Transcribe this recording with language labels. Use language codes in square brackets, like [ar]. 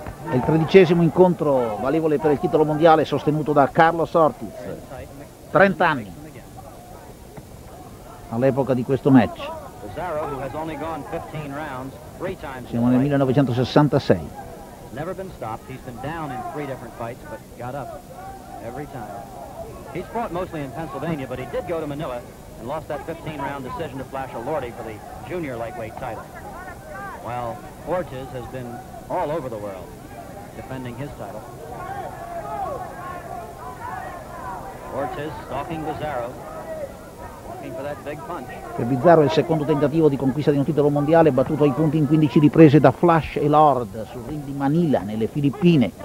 [it] È il tredicesimo incontro valevole per il titolo mondiale sostenuto da Carlos Ortiz, 30 anni all'epoca di questo match. [en] Bizarro, who has only gone 15 rounds, three times. [it] Siamo nel 1966. [en] Never been stopped. He's been down in three different fights, but got up every time. He's fought mostly in Pennsylvania, but he did go to Manila and lost that 15-round decision to Flash Alordi for the junior lightweight title. While Ortiz has been all over the world defending his title. Ortiz stalking Bizarro, looking for that big punch. [it] Per Bizarro il secondo tentativo di conquista di un titolo mondiale, battuto ai punti in 15 riprese da Flash e Lord sul ring di Manila, nelle Filippine.